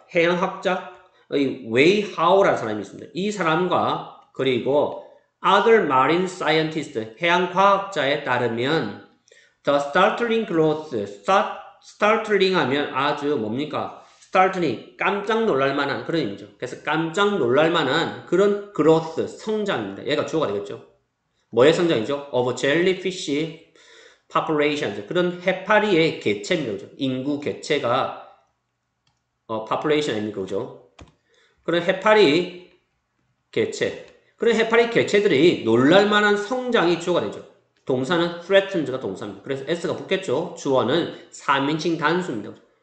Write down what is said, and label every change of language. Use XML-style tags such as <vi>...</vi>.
<ko>해양학자의 Wei Hao라는 사람이 있습니다. 이 사람과 그리고</ko> <en>Other marine scientists,</en> <ko>해양 과학자에 따르면,</ko> <en>the startling growth,</en> <ko>startling 하면 아주 뭡니까? startling, 깜짝 놀랄 만한 그런 의미죠. 그래서 깜짝 놀랄 만한 그런 growth, 성장입니다. 얘가 주어가 되겠죠. 뭐의 성장이죠?</ko> <en>of jellyfish populations.</en> <ko>그런 해파리의 개체입니다. 그죠? 인구 개체가, population입니다. 그죠? 그런 해파리 개체. 그런 해파리 개체들이 놀랄 만한 성장이 주어가 되죠. 동사는 threatened가 동사입니다. 그래서 S가 붙겠죠. 주어는 3인칭 단수입니다.</ko>